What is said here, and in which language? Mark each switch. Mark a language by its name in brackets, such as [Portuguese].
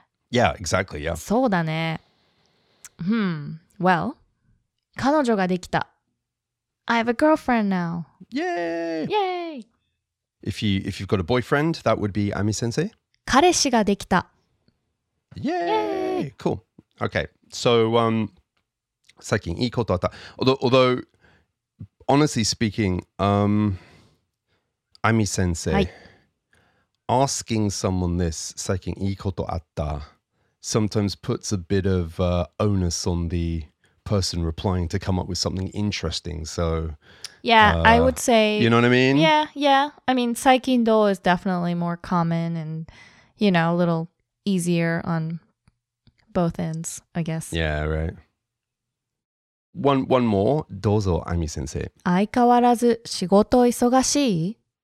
[English] Yeah, exactly, yeah. [Japanese] そうだね。Well, 彼女ができた。 [English] I have a girlfriend now. Yay! If you've got a boyfriend, that would be Ami-sensei. [Japanese] 彼氏ができた。 [English] Yay! Cool. Okay. [Japanese] So, 最近いいことあった。 [English] Although, honestly speaking, Ami-sensei, asking someone this, [Japanese] 最近いいことあった。 [English] Sometimes puts a bit of onus on the person replying to come up with something interesting. So, yeah, I would say, you know what I mean? Yeah. I mean, 最近どう is definitely more common and, you know, a little easier on both ends, I guess. Yeah, right. One more. [Japanese] どうぞ、アミ先生。相変わらず仕事忙しい?